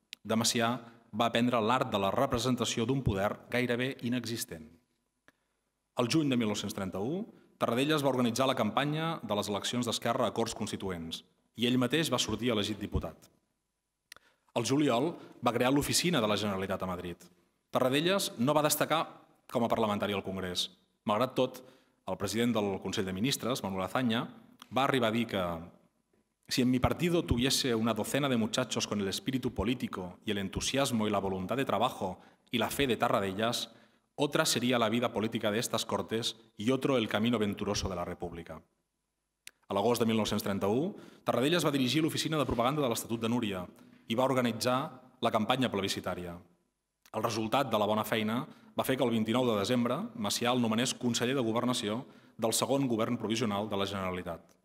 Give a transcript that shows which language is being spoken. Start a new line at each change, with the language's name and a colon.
Catalan: De Macià va aprendre l'art de la representació d'un poder gairebé inexistent. El juny de 1931, Tarradellas va organitzar la campanya de les eleccions d'Esquerra a Corts Constituents i ell mateix va sortir elegit diputat. El juliol va crear l'oficina de la Generalitat a Madrid. Tarradellas no va destacar com a parlamentari al Congrés. Malgrat tot, el president del Consell de Ministres, Manuel Azaña, va arribar a dir que
Spanish: si en mi partido tuviese una docena de muchachos con el espíritu político y el entusiasmo y la voluntad de trabajo y la fe de Tarradellas, otra sería la vida política de estas Cortes y otro el camino venturoso de la República.
Catalan: A l'agost de 1931, Tarradellas va dirigir l'oficina de propaganda de l'Estatut de Núria i va organitzar la campanya plebiscitària. El resultat de la bona feina va fer que el 29 de desembre Macià el nomenés conseller de Governació del segon govern provisional de la Generalitat.